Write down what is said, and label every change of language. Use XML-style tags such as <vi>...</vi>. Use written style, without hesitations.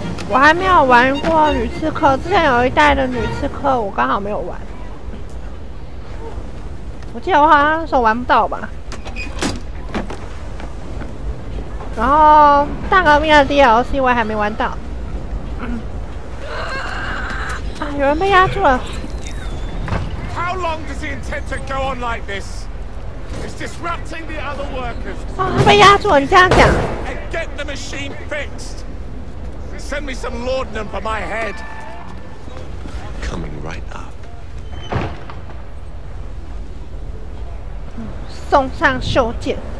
<zh>我还没有玩过女刺客，之前有一代的女刺客我刚好没有玩，我记得我好像那时候玩不到吧。然后大革命的 DLC 我还没玩到，啊，有人被压住了。</zh> <en>How long does he intend to go on like this? It's disrupting the other workers.</en> <zh>啊，他被压住了，你这样讲。</zh> <en>And get the machine fixedSend me some laudanum for my head. Coming right up.</en> <zh>送上袖箭。</zh>